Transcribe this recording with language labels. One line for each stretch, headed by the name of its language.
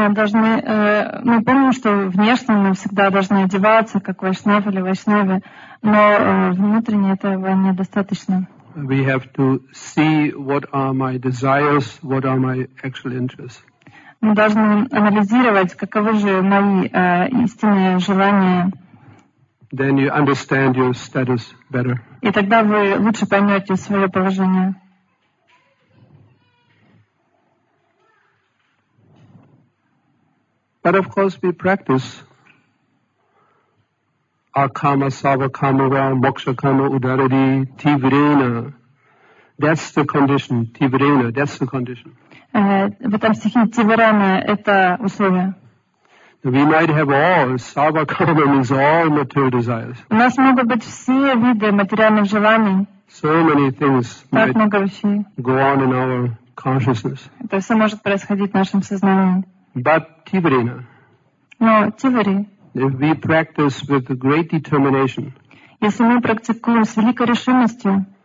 Russian: Мы помним, что внешне мы всегда должны одеваться, как вайшнав или вайшнаве, но внутренне этого недостаточно.
English: We have to see what are my desires, what are my actual interests.
Russian: Мы должны анализировать, каковы же мои истинные желания.
English: Then you understand your status better.
Russian: И тогда вы лучше поймете свое положение.
English: But of course we practice akama, sava kama, moksha kama, udarati, tivrena. That's the condition. Tivrena, that's the condition.
Russian: В этом стихе тивирена – это условие.
English: We might have all. Sava kama means all material desires.
Russian: У нас могут быть все виды материальных желаний.
English: So many things might go on in our consciousness.
Russian: Это все может происходить в нашем сознании.
English: But tivrena.
Russian: Но тивари.
English: If we practice with great determination.
Russian: Если мы практикуем с великой решимостью.